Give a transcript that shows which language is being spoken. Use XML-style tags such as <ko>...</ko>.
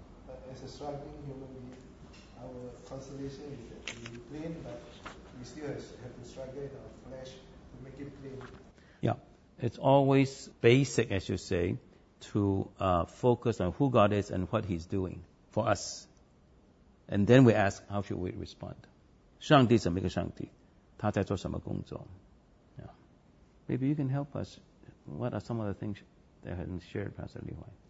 <en>But as a struggling human being, our consolation is that we plain, but we still have to struggle in our flesh to make it plain. Yeah, it's always basic, as you say, to focus on who God is and what He's doing for us. And then we ask, how should we respond?</en> <zh>上帝怎么一个上帝？他在做什么工作？</zh> <en>Yeah. Maybe you can help us. What are some of the things that haven't shared, Pastor Li Huai?</en>